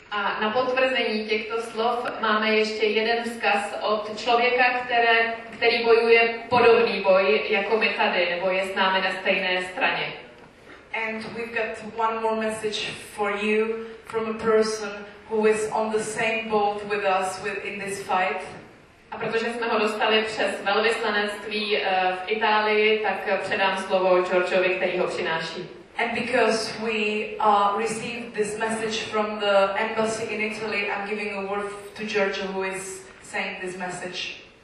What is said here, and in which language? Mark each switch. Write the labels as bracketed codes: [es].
[cs] A na potvrzení těchto slov máme ještě jeden vzkaz od člověka, který bojuje podobný boj jako my tady, nebo je s námi na stejné straně. [en] And we've got one more message for you from a person who is on the same boat with us in this fight. [cs] A protože jsme ho dostali přes velvyslanectví v Itálii, tak předám slovo Georgeovi, který ho přináší. [en] And because we received this message from the embassy in Italy, I'm giving a word to Giorgio, who is saying this message.